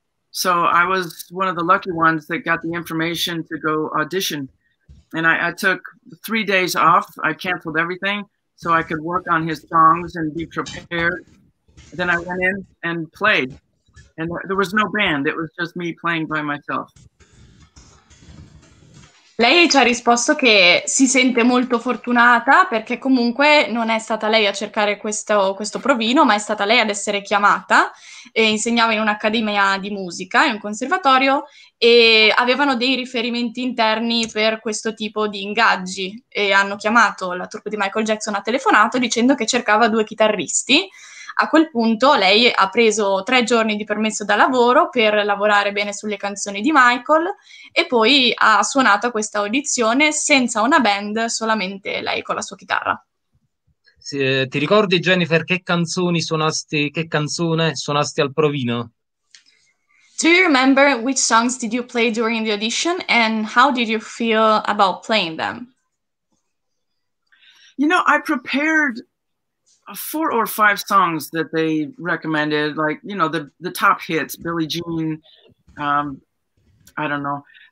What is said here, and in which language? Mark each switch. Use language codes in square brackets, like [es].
[en] So I was one of the lucky ones that got the information to go audition. And I took 3 days off. I canceled everything so I could work on his songs and be prepared. Then I went in and played. And there was no band, it was just me playing by myself. [it] Lei ci ha risposto che si sente molto fortunata perché comunque non è stata lei a cercare questo provino, ma è stata lei ad essere chiamata. E insegnava in un'accademia di musica, in un conservatorio, e avevano dei riferimenti interni per questo tipo di ingaggi. E hanno chiamato, la troupe di Michael Jackson ha telefonato dicendo che cercava 2 chitarristi. A quel punto lei ha preso 3 giorni di permesso da lavoro per lavorare bene sulle canzoni di Michael e poi ha suonato questa audizione senza una band, solamente lei con la sua chitarra. Sì, ti ricordi, Jennifer, che canzone suonasti al provino? [en] Do you remember which songs did you play during the audition and how did you feel about playing them? You know, I prepared 4 or 5 songs that they recommended, like, you know, the top hits, Billie Jean, I don't know.